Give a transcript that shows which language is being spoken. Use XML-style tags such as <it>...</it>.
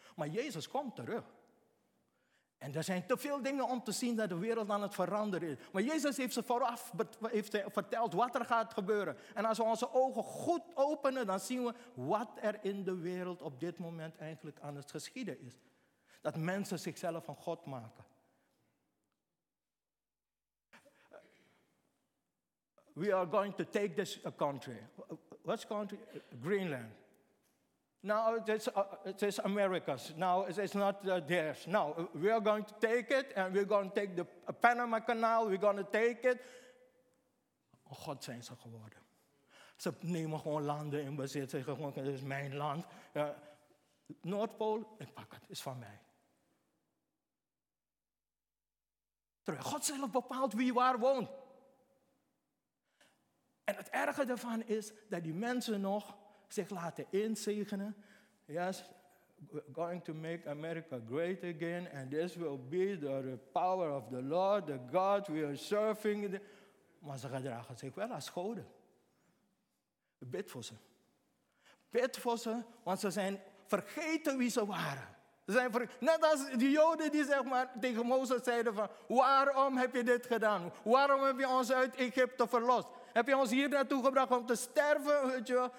<nl>Maar Jezus komt terug. En er zijn te veel dingen om te zien dat de wereld aan het veranderen is. Maar Jezus heeft ze vooraf verteld wat er gaat gebeuren. En als we onze ogen goed openen, dan zien we wat er in de wereld op dit moment eigenlijk aan het geschieden is. Dat mensen zichzelf van God maken.</nl> <en>We are going to take this country. What's country? Greenland. Now it is America's. Now it's not theirs. Now we are going to take it and we're going to take the Panama Canal. We're going to take it.</en> <nl>God zijn ze geworden. Ze nemen gewoon landen in bezit. Ze zeggen gewoon, dit is mijn land. Noordpool, ik pak het, is van mij. Terwijl God zelf bepaalt wie waar woont. En het erge daarvan is dat die mensen nog zich laten inzegenen.</nl> <en>Yes, we're going to make America great again. And this will be the power of the Lord, the God we are serving.</en> <nl>Maar ze gedragen zich wel als goden. Bid voor ze. Bid voor ze, want ze zijn vergeten wie ze waren. Net als die Joden die zeg maar tegen Mozes zeiden van, waarom heb je dit gedaan? Waarom heb je ons uit Egypte verlost? Heb je ons hier naartoe gebracht om te sterven? Weet je?</nl>